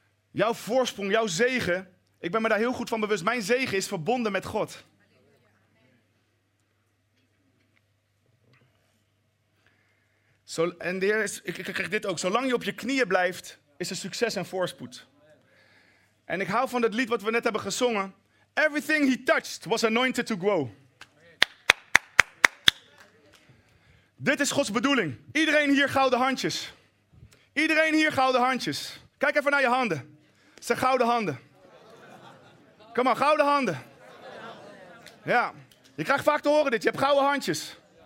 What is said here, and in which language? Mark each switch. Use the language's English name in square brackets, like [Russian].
[Dutch] Jouw voorsprong, jouw zegen, ik ben me daar heel goed van bewust. Mijn zegen is verbonden met God. Zo, en de Heer, ik krijg dit ook. Zolang je op je knieën blijft, is er succes en voorspoed. En ik hou van het lied wat we net hebben gezongen. [English] Everything he touched was anointed to grow. [Dutch] Dit is Gods bedoeling. Iedereen hier gouden handjes. Iedereen hier gouden handjes. Kijk even naar je handen. Zijn gouden handen. Kom maar, gouden handen. Ja, je krijgt vaak te horen dit. Je hebt gouden handjes.